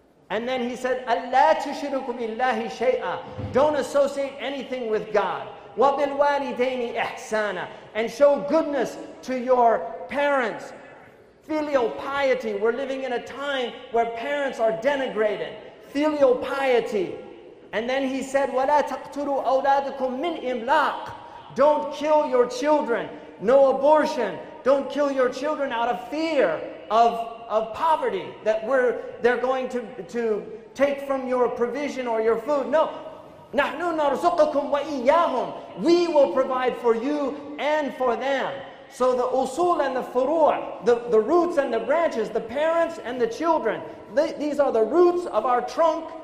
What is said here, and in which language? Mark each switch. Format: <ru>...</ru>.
<en>And then he said,</en> <ar>Allah tushiruku billahi shay'a.</ar> <en>Don't associate anything with God.</en> <ar>وَبِالْوَالِدَيْنِ إِحْسَانًا.</ar> <en>And show goodness to your parents. Filial piety. We're living in a time where parents are denigrated. Filial piety. And then he said,</en> <ar>وَلَا تَقْتُرُوا أَوْلَادُكُمْ مِنْ إِمْلَاقٍ.</ar> <en>Don't kill your children. No abortion. Don't kill your children out of fear of poverty, that they're going to take from your provision or your food. No.</en> <ar>نَحْنُ نَرْزُقَكُمْ وَإِيَّاهُمْ.</ar> <en>We will provide for you and for them. So the usul and the furu', the roots and the branches, the parents and the children, these are the roots of our trunk.</en>